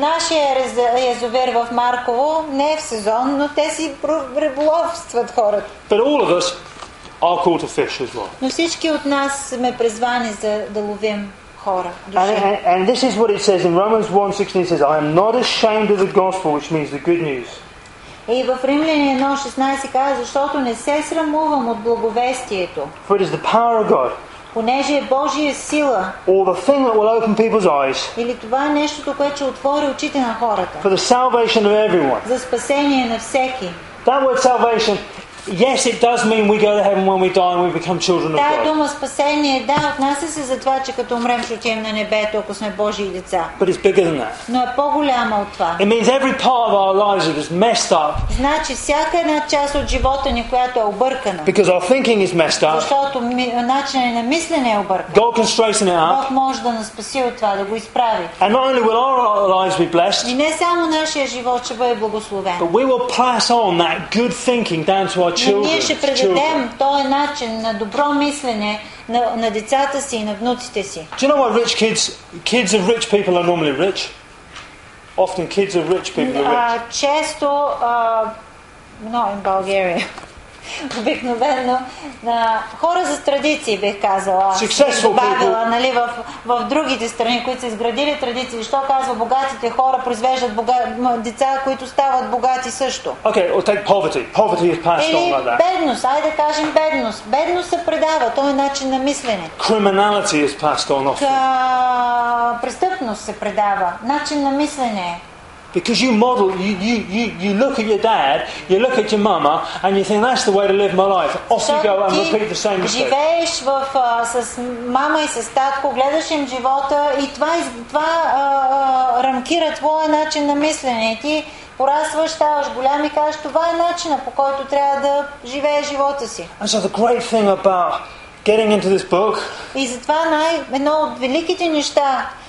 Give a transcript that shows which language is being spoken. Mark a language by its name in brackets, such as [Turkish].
[Bulgarian] Нашия язовир в Марково не е в сезон, но те си риболовстват хората. [English] But all of us are called to fish as well. [Bulgarian] Но всички от нас сме призвани да ловим хора, души. [English] And this is what it says in Romans 1:16. It says, I am not ashamed of the gospel, which means the good news. [Bulgarian] И в Римляни 1:16 казва, защото не се срамувам от благовестието. [English] For it is the power of God. [Bulgarian] Понеже е Божия сила. [English] Or the thing that will open people's eyes. [Bulgarian] Или това е нещото, което ще отвори очите на хората. [English] For the salvation of everyone. [Bulgarian] За спасение на всеки. [English] That word salvation, yes, it does mean we go to heaven when we die and we become children of God. [Bulgarian] Тая дума спасение, да, отнася се за това, че като умрем, ще отидем на небето, ако сме Божии деца. [English] But it's bigger than that. [Bulgarian] Но е по-голямо от това. [English] It means every part of our lives that is messed up. [Bulgarian] Значи всяка една част от живота ни, която е объркана. [English] Because our thinking is messed up. [Bulgarian] Защото начинът ни на мислене е объркан. [English] God can straighten it up. [Bulgarian] Бог може да спаси от това, да го изправи. [English] And not only will our lives be blessed. [Bulgarian] И не само нашия живот ще бъде благословен. [English] But we will pass on that good thinking down to our [Bulgarian] Но ние ще предадем този начин на добро мислене на децата си и на внуците си. [English] Do you know what rich kids of rich people are normally rich? Often kids of rich people are rich. [Bulgarian] Често, [English] not in Bulgaria, [Bulgarian] обикновено, хора за традиции бих казала. [English] Successful people. [Bulgarian] Нали, в другите страни, които са изградили традиции. Що казва, богатите хора произвеждат деца, които стават богати също. [English] Okay, or take poverty. Poverty is passed on like that. [Bulgarian] Бедност, айде да кажем бедност. Бедност се предава, то е начин на мислене. [English] Criminality is passed on often. [Bulgarian] Престъпност се предава, начин на мислене. [English] Because you model, you look at your dad, you look at your mama, and you think that's the way to live my life. Off you go and repeat the same mistake. [Bulgarian] Живееш в с мама и с татко, гледаш им живота и това рамкира твоя начин на мислене. Ти порастваш, ставаш голям и кажеш, това е начинът, по който трябва да живееш живота си. [English] And so the great thing about getting into this book. [Bulgarian] И затова едно от великите неща.